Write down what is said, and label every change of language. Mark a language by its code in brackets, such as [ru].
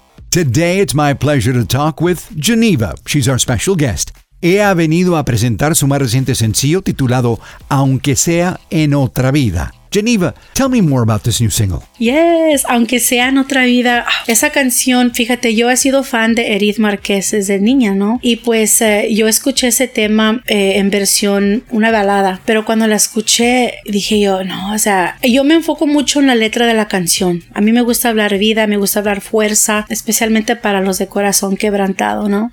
[en] Today it's my pleasure to talk with Geneva. She's our special guest. [es] Ella ha venido a presentar su más reciente sencillo titulado Aunque Sea En Otra Vida. [en] Geneva, tell me more about this new single. Yes, Aunque Sea En Otra Vida. [es] Esa canción, fíjate, yo he sido fan de Edith Márquez desde niña, ¿no? Y pues yo escuché ese tema en versión, una balada. Pero cuando la escuché, dije yo, no, o sea, yo me enfoco mucho en la letra de la canción. A mí me gusta hablar vida, me gusta hablar fuerza, especialmente para los de corazón quebrantado, ¿no?